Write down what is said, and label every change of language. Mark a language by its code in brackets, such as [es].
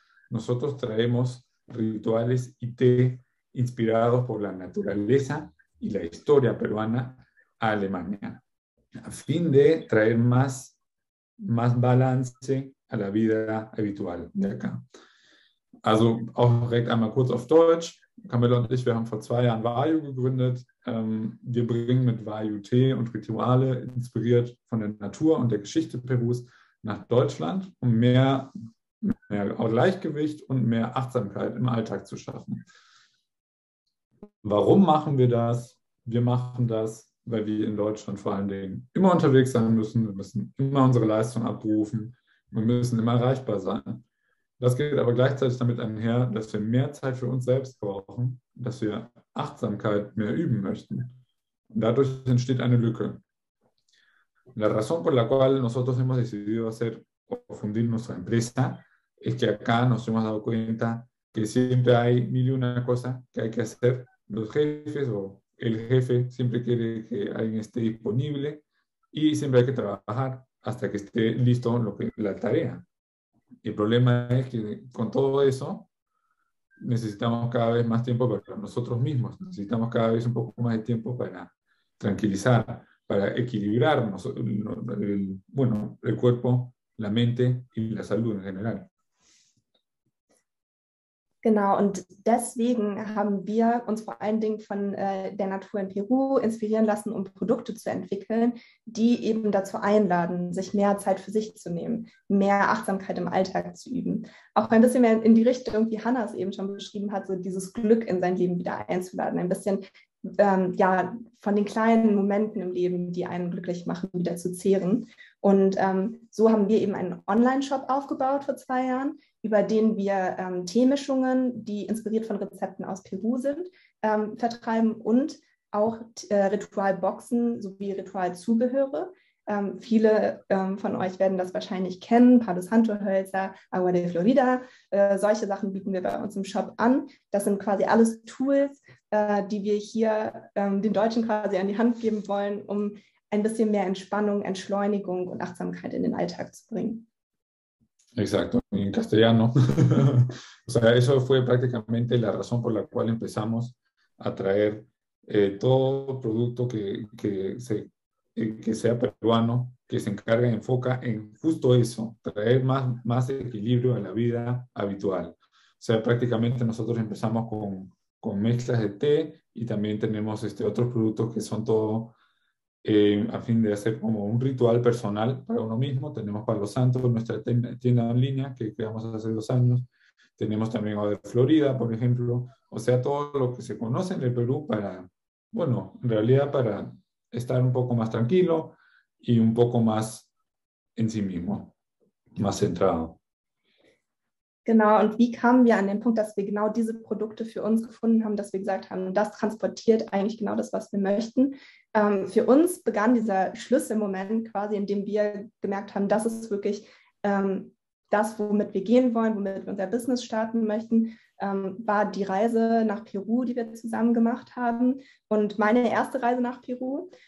[es] Nosotros traemos rituales y té inspirados por la naturaleza y la historia peruana a Alemania, a fin de traer más balance a la vida habitual de acá. [de] Also, auch direkt einmal kurz auf Deutsch. Camilla und ich, wir haben vor 2 Jahren Vayu gegründet. Wir bringen mit Vayu Tee und Rituale, inspiriert von der Natur und der Geschichte Perus, nach Deutschland, um mehr Gleichgewicht und mehr Achtsamkeit im Alltag zu schaffen. Warum machen wir das? Wir machen das, weil wir in Deutschland vor allen Dingen immer unterwegs sein müssen. Wir müssen immer unsere Leistung abrufen. Wir müssen immer erreichbar sein. Das geht aber gleichzeitig damit einher, dass wir mehr Zeit für uns selbst brauchen, dass wir Achtsamkeit mehr üben möchten. Und dadurch entsteht eine Lücke. [es] La razón por la cual nosotros hemos decidido hacer o fundir nuestra empresa es que acá nos hemos dado cuenta que siempre hay mil y una cosas que hay que hacer. Los jefes o el jefe siempre quiere que alguien esté disponible y siempre hay que trabajar hasta que esté listo la tarea. El problema es que con todo eso necesitamos cada vez más tiempo para nosotros mismos, necesitamos cada vez un poco más de tiempo para tranquilizar, para equilibrarnos, bueno, el cuerpo, la mente y la salud en general. [de] Genau, und deswegen haben wir uns vor allen Dingen von der Natur in Peru inspirieren lassen, um Produkte zu entwickeln, die eben dazu einladen, sich mehr Zeit für sich zu nehmen, mehr Achtsamkeit im Alltag zu üben. Auch ein bisschen mehr in die Richtung, wie Hanna es eben schon beschrieben hat, so dieses Glück in sein Leben wieder einzuladen, ein bisschen ja, von den kleinen Momenten im Leben, die einen glücklich machen, wieder zu zehren. Und so haben wir eben einen Online-Shop aufgebaut vor 2 Jahren, über den wir Teemischungen, die inspiriert von Rezepten aus Peru sind, vertreiben und auch Ritualboxen sowie Ritualzubehöre. Viele von euch werden das wahrscheinlich kennen: Palo Santo-Hölzer, Agua de Florida. Solche Sachen bieten wir bei uns im Shop an. Das sind quasi alles Tools, die wir hier den Deutschen quasi an die Hand geben wollen, um ein bisschen mehr Entspannung, Entschleunigung und Achtsamkeit in den Alltag zu bringen. [es] Exacto, en castellano. O sea, eso fue prácticamente la razón por la cual empezamos a traer todo producto que sea peruano, que se encarga y enfoca en justo eso, traer más equilibrio a la vida habitual. O sea, prácticamente nosotros empezamos con mezclas de té y también tenemos otros productos que son todo a fin de hacer como un ritual personal para uno mismo. Tenemos Palo Santo, nuestra tienda en línea que creamos hace 2 años. Tenemos también Agua de Florida, por ejemplo. O sea, todo lo que se conoce en el Perú para, bueno, en realidad para estar un poco más tranquilo y un poco más en sí mismo, más centrado. [de] Genau, und wie kamen wir an den Punkt, dass wir genau diese Produkte für uns gefunden haben, dass wir gesagt haben, das transportiert eigentlich genau das, was wir möchten. Für uns begann dieser Schlüsselmoment quasi, in dem wir gemerkt haben, das ist wirklich das, womit wir gehen wollen, womit wir unser Business starten möchten, war die Reise nach Peru, die wir zusammen gemacht haben und meine erste Reise nach Peru.